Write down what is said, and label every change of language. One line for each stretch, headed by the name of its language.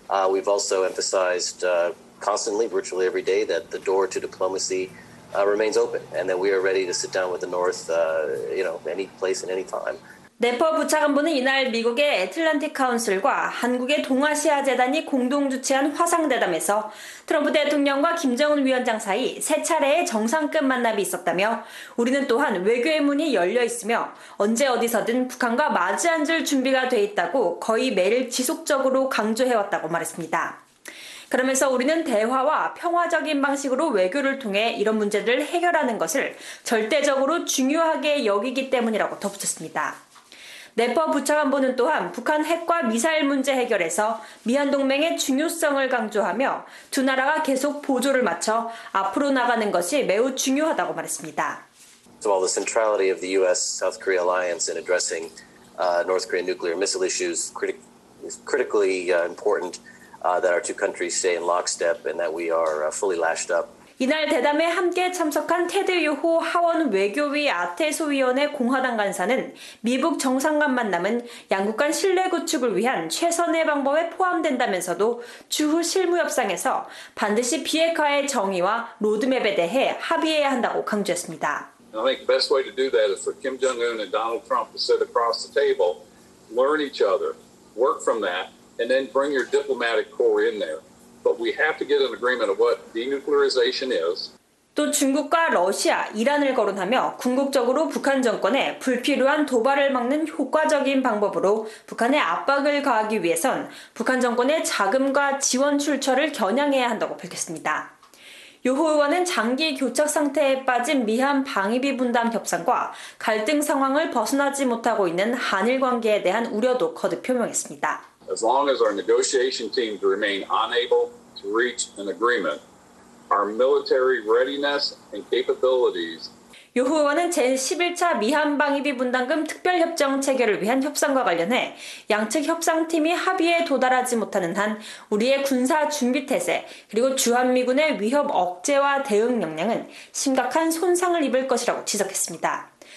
English: We've also emphasized constantly, virtually every day, that the door to diplomacy remains open, and that we are ready to sit down with the North, any place and any time.
Korean: 네퍼 부차관보는 이날 미국의 애틀란틱 카운슬과 한국의 동아시아 재단이 공동 주최한 화상 대담에서 트럼프 대통령과 김정은 위원장 사이 세 차례의 정상급 만남이 있었다며 우리는 또한 외교의 문이 열려 있으며 언제 어디서든 북한과 마주앉을 준비가 돼 있다고 거의 매일 지속적으로 강조해왔다고 말했습니다. 그러면서 우리는 대화와 평화적인 방식으로 외교를 통해 이런 문제들을 해결하는 것을 절대적으로 중요하게 여기기 때문이라고 덧붙였습니다. 네퍼 부차관보는 또한 북한 핵과 미사일 문제 해결에서 미한동맹의 중요성을 강조하며 두 나라가 계속 보조를 맞춰 앞으로 나가는 것이 매우 중요하다고 말했습니다.
English: So all the centrality of the US-South Korea alliance in addressing North Korean nuclear missile issues is critically important that our two countries stay in lockstep and that we are fully lashed up.
Korean: 이날 대담에 함께 참석한 테드 유호 하원 외교위 아태소위원회 공화당 간사는 미북 정상 간 만남은 양국 간 신뢰 구축을 위한 최선의 방법에 포함된다면서도 주후 실무 협상에서 반드시 비핵화의 정의와 로드맵에 대해 합의해야 한다고 강조했습니다.
English: I think the best way to do that is for Kim Jong-un and Donald Trump to sit across the table, learn each other, work from that, and then bring your diplomatic corps in there. But we have to get an agreement of what denuclearization is.
Korean: 또 중국과 러시아, 이란을 거론하며 궁극적으로 북한 정권에 불필요한 도발을 막는 효과적인 방법으로 북한에 압박을 가하기 위해선 북한 정권의 자금과 지원 출처를 겨냥해야 한다고 밝혔습니다. 요호 의원은 장기 교착 상태에 빠진 미한 방위비 분담 협상과 갈등 상황을 벗어나지 못하고 있는 한일 관계에 대한 우려도 거듭 표명했습니다.
English: As long as our negotiation teams remain unable to reach an agreement, our military readiness and capabilities
Korean: 요호 의원은 제11차 미한방위비 분담금 특별협정 체결을 위한 협상과 관련해 양측 협상팀이 합의에 도달하지 못하는 한 우리의 군사 준비태세 그리고 주한미군의 위협 억제와 대응 역량은 심각한 손상을 입을 것이라고 지적했습니다.